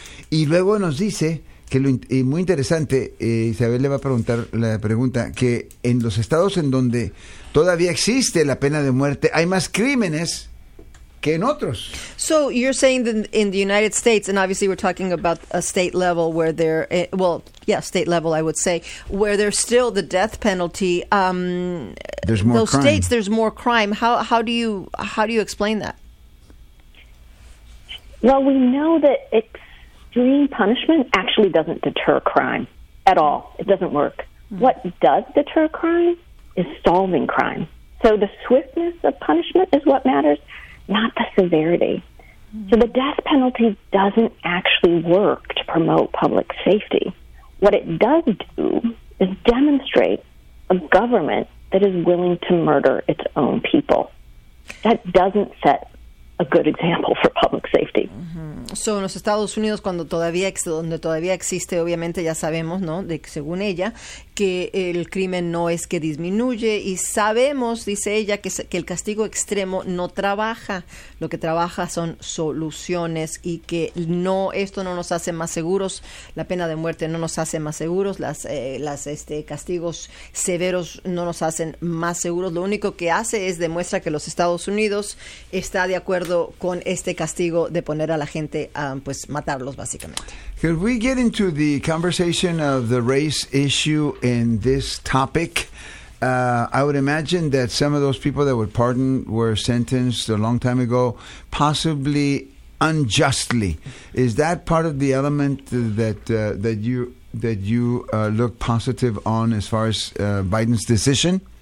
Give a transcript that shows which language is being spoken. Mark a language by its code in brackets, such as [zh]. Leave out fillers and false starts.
[es] Y luego nos dice que y muy interesante, Isabel le va a preguntar la pregunta, que en los estados en donde todavía existe la pena de muerte hay más crímenes que en otros. [en] So you're saying that in the United States, and obviously we're talking about a state level where there, well, yeah, state level, I would say, where there's still the death penalty. There's more those crime. States. There's more crime. How do you explain that? Well, we know that extreme punishment actually doesn't deter crime at all. It doesn't work. Mm-hmm. What does deter crime is solving crime. So the swiftness of punishment is what matters, not the severity. So the death penalty doesn't actually work to promote public safety. What it does do is demonstrate a government that is willing to murder its own people. That doesn't set a good example for public safety. [es] So en los Estados Unidos, cuando todavía donde todavía existe, obviamente ya sabemos, ¿no?, de según ella, que el crimen no es que disminuye, y sabemos, dice ella, que el castigo extremo no trabaja. Lo que trabaja son soluciones, y que no, esto no nos hace más seguros. La pena de muerte no nos hace más seguros. Las castigos severos no nos hacen más seguros. Lo único que hace es demuestra que los Estados Unidos está de acuerdo con este castigo de poner a la gente a pues matarlos, básicamente. [en] Could we get into the conversation of the race issue in this topic? I would imagine that some of those people that were pardoned were sentenced a long time ago, possibly unjustly. Is that part of the element that you look positive on as far as Biden's decision?